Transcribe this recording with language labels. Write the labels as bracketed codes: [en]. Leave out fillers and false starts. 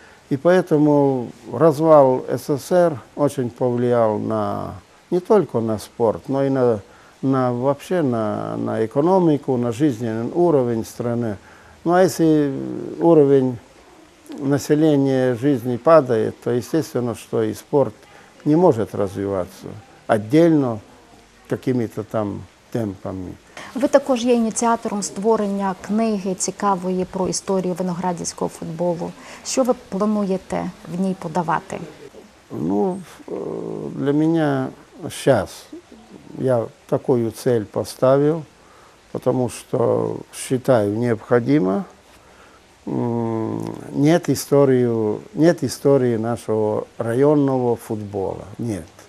[ru] И поэтому развал СССР очень повлиял на, не только на спорт, но и на вообще на экономику, на жизненный уровень страны. Ну а если уровень населения жизни падает, то естественно, что и спорт не может развиваться отдельно какими-то там темпами. [uk] Ви також є ініціатором створення книги цікавої про історію виноградівського футболу. Що ви плануєте в ній подавати? Ну, для мене зараз [ru] я такую цель поставил, потому что считаю необходимо. Нет истории нашего районного футбола. Нет.